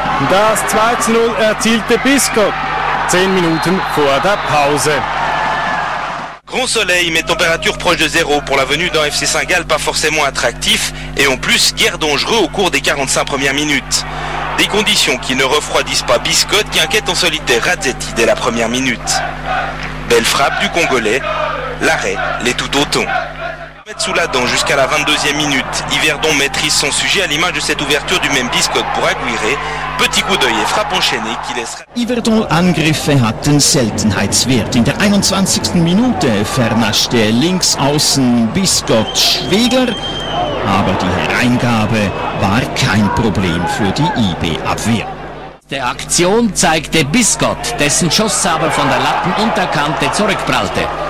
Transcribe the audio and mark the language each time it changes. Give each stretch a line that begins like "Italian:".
German: Das 2:0 erzielte Biscott 10 Minuten vor der Pause.
French: Grand soleil, mais température proche de zéro. Pour la venue d'un FC Saint-Gall, pas forcément attractif. Et en plus, guère dangereux au cours des 45 premières minutes. Des conditions qui ne refroidissent pas Biscott, qui inquiète en solitaire Radzetti dès la première minute. Belle frappe du Congolais. L'arrêt l'est tout autant. Sous la dent jusqu'à la 22e minute. Yverdon maîtrise son sujet à l'image de cette ouverture du même Biscott pour Aguirre. Petit coup d'œil et frappe enchaînée qui laissera.
German: Yverdon-Angriffe hatten Seltenheitswert. In der 21. Minute vernaschte links außen Biscott Schwegler. Aber die Hereingabe war kein Problem für die IB-Abwehr. Die Aktion zeigte Biscott, dessen Schuss aber von der Lattenunterkante zurückprallte.